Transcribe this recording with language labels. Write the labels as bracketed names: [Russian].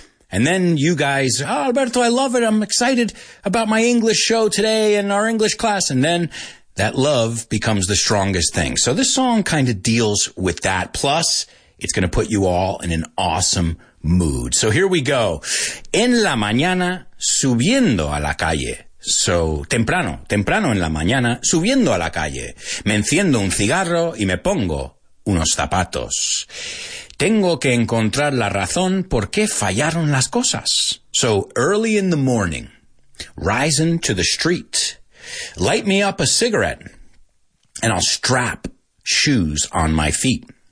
[English] And then you guys, oh, Alberto, I love it. I'm excited about my English show today and our English class. And then that love becomes the strongest thing. So this song kind of deals with that. Plus, it's going to put you all in an awesome mood. So here we go. [Spanish] En la mañana, subiendo a la calle. So, temprano, temprano en la mañana, subiendo a la calle. Me enciendo un cigarro y me pongo unos zapatos. Tengo que encontrar la razón por qué fallaron las cosas. [English] So early in the morning, rising to the street, light me up a cigarette, and I'll strap shoes on my feet.